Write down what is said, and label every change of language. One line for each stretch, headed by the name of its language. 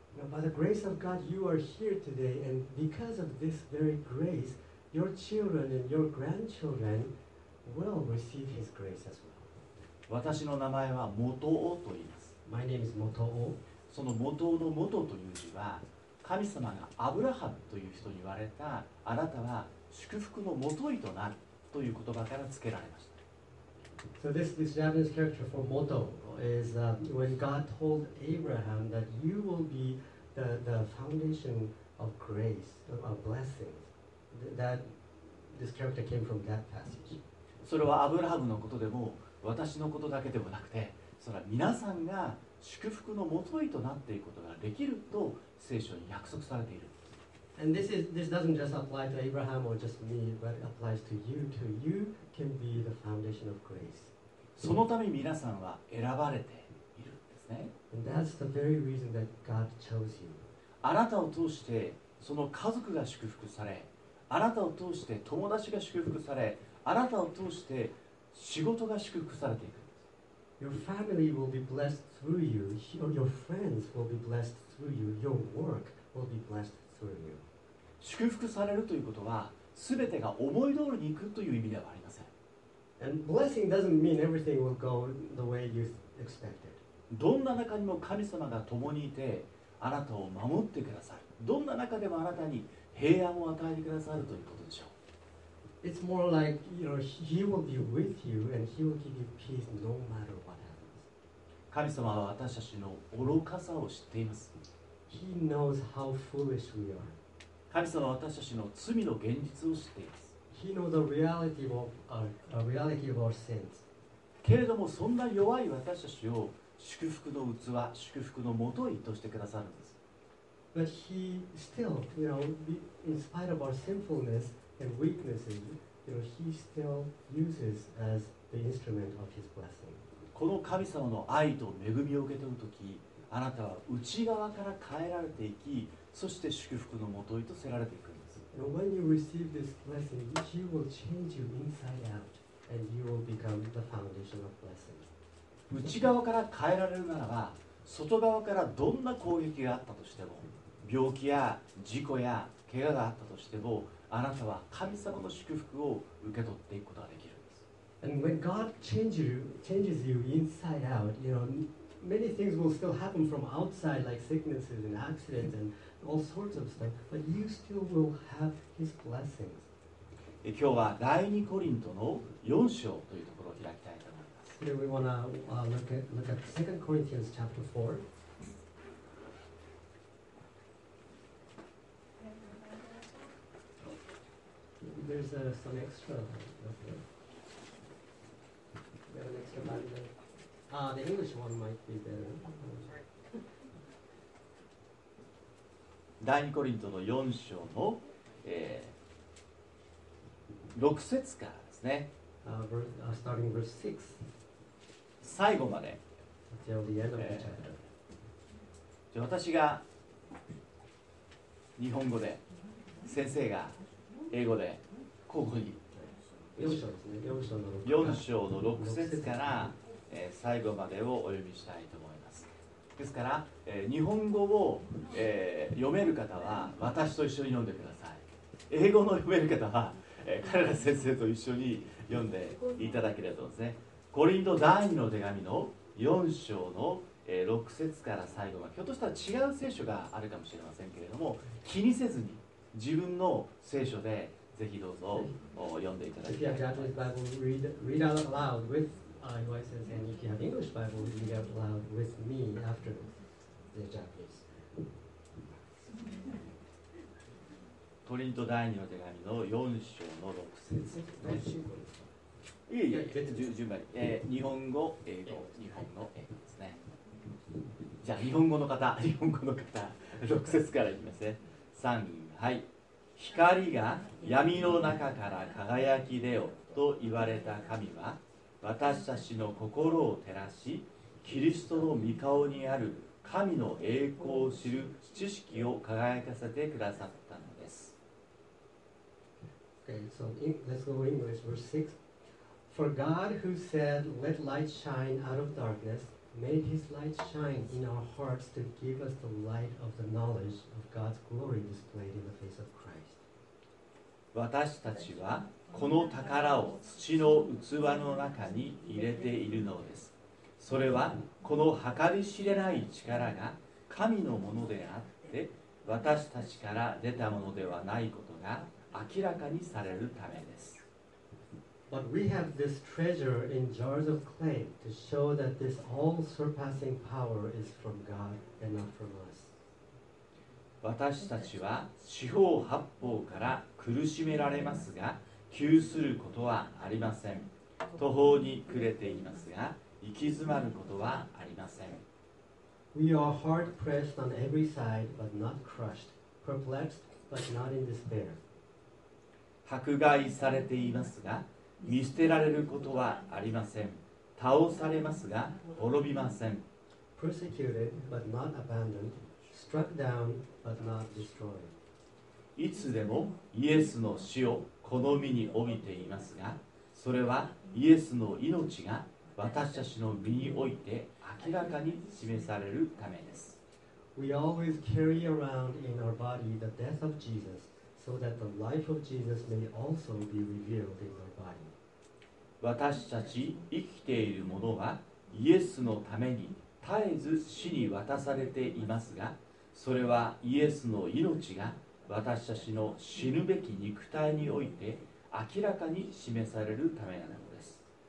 English: By the grace of God, you are here today, and because of this very grace, your children and your grandchildren. Will receive his grace as well.
Japanese: 私の名前は元王と言います。
English: My name is 元王。
Japanese: その元王の元という字は、神様がアブラハムという人に言われた、あなたは祝福の元いとなるという言葉から付けられました。
English: So this Japanese character for 元 is when God told Abraham that you will be the foundation of grace, of blessings. That this character came from that passage.
Japanese: それはアブラハムのことでも私のことだけでもなくて、それは皆さんが祝福のもといとなっていくことができると聖書に約束されている。
English: And this doesn't just apply to Abraham or just me, but it applies to you too. You can be the foundation of grace.
Japanese: そのため皆さんは選ばれているんですね。
English: And that's the very reason that God chose you.
Japanese: あなたを通してその家族が祝福され、あなたを通して友達が祝福され、あなたを通して仕事が祝福されていく。
English: Your family will be blessed through you. Your friends will be blessed through you. Your work will be blessed through you.
Japanese: 祝福されるということは、すべてが思い通りにいくという意味ではありません。
English: And blessing doesn't mean everything will go the way you expected.
Japanese: どんな中にも神様が共にいて、あなたを守ってくださる。どんな中でもあなたに平安を与えてくださるということでしょう。
English: It's more like, you know, He will be with you and He will give you peace no matter what happens.
Japanese: 神様は私たちの愚かさを知っています。
English: He knows how foolish we are.
Japanese: 神様は私たちの罪の現実を知っています。
English: He knows the reality of our sins.
Japanese: けれどもそんな弱い私たちを祝福の器、祝福のもといとしてくださるんです。
English: But He still, you know, in spite of our sinfulness,And weaknesses, you know, he still uses as the instrument of his blessing.
Japanese: この神様の愛と恵みを受け取るとき、あなたは内側から変えられていき、そして祝福のもといとせられていくんです。
English: And when you receive this blessing, he will change you inside out, and you will become the foundation of blessing.
Japanese: 内側から変えられるならば、外側からどんな攻撃があったとしても、病気や事故や怪我があったとしても、あなたは神様の祝福を受け取っていくことができるんです。
English: And when God changes you inside out, you know, many things will still happen from outside, like sicknesses and accidents and all sorts of stuff, but you still will have His blessings.
Japanese: 今日は第2コリントの4章というところを開きたいと思います。
English: Here we want to look at 2 Corinthians chapter 4. There's some extra. Okay. We have an extra band. Ah, the English one might be better.
Japanese: 第二コリントの四章の六節からですね。
English: Starting verse 6.
Japanese: 最後まで。
English: Until the end of the chapter.
Japanese: じゃあ私が日本語で、先生が英語で。 4章の6節から最後までをお読みしたいと思います。ですから日本語を読める方は私と一緒に読んでください。英語の読める方は彼ら先生と一緒に読んでいただければと思いますね。コリント第2の手紙の4章の6節から最後まで、ひょっとしたら違う聖書があるかもしれませんけれども、気にせずに自分の聖書でぜひどうぞ読んでいただきたい。
English: If you have Japanese Bible, read out loud with your wife and if you have English Bible, read out loud with me after the Japanese.
Japanese: コリント第2の手紙の4章の6節です、ね。何週後ですか？いえいえ、別に順番に、日本語、英語、日本の英語ですね。じゃあ日本語の方、6節からいきますね。3、はい。光が闇の中から輝き出よと言われた神は、私たちの心を照らし、キリストの御顔にある神の栄光を知る知識を輝かせてくださったのです。
English: Okay, so let's go English, verse 6. For God who said, Let light shine out of darkness, made his light shine in our hearts to give us the light of the knowledge of God's glory displayed in the face of Christ.
Japanese: 私たちはこの宝を土の器の中に入れているのです。それはこの計り知れない力が神のものであって、私たちから出たものではないことが明らかにされるためです。
English: But we have this treasure in jars of clay to show that this all surpassing power is from God and not from us.
Japanese: 私たちは四方八方から苦しめられますが、窮することはありません。途方に暮れていますが、行き詰まることはありません。
English: We are hard pressed on every side, but not crushed, perplexed, but not in despair.
Japanese: 迫害されていますが、見捨てられることはありません。倒されますが、滅びません。
English: Persecuted, but not abandoned. Struck down, but not destroyed.
Japanese: いつでもイエスの死をこの身に帯びていますが、それはイエスの命が私たちの身において明らかに示されるためです。
English: We always carry around in our body the death of Jesus, so that the life of Jesus may also be revealed in our body.
Japanese: 私たち生きているものはイエスのために絶えず死に渡されていますが、それはイエスの命が私たちの死ぬべき肉体において明らかに示されるためなのです。